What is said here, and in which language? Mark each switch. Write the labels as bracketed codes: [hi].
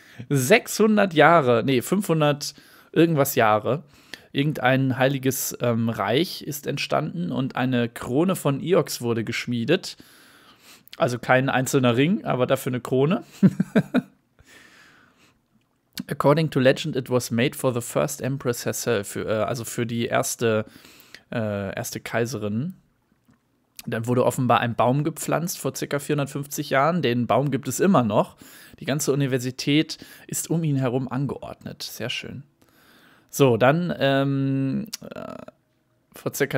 [de] 600 Jahre. Nee, 500 irgendwas Jahre. Irgendein heiliges Reich ist entstanden und eine Krone von Iox wurde geschmiedet. Also kein einzelner Ring, aber dafür eine Krone. [en] According to legend, it was made for the first empress herself. [de] Also für die erste Kaiserin. Dann wurde offenbar ein Baum gepflanzt vor ca. 450 Jahren. Den Baum gibt es immer noch. Die ganze Universität ist um ihn herum angeordnet. Sehr schön. So, dann vor ca.